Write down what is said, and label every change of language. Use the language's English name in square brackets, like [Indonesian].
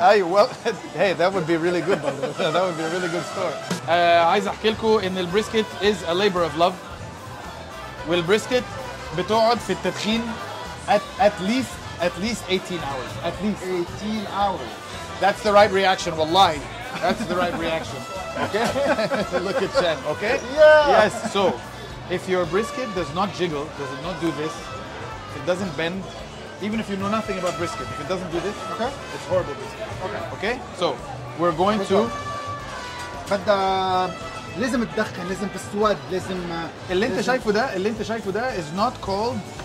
[English] اي well hey that would be really good brother. that would be a really good story. [Arabic] عايز احكي لكم ان البريسكت [English] is a labor of love. [Arabic] والبريسكت بتقعد في التدخين [English] at least 18 hours. at least 18 hours. that's the right reaction والله. that's the right reaction. okay. look at Chen. okay. yeah. yes. so, if your brisket does not jiggle, does it not do this? if it doesn't bend, even if you know nothing about brisket, if it doesn't do this, okay, it's horrible brisket. okay. okay. so, we're going to. [Arabic] بدا لازم تدخن لازم تسود لازم. اللي انت شايفه ده اللي انت شايفه ده [English] is not called.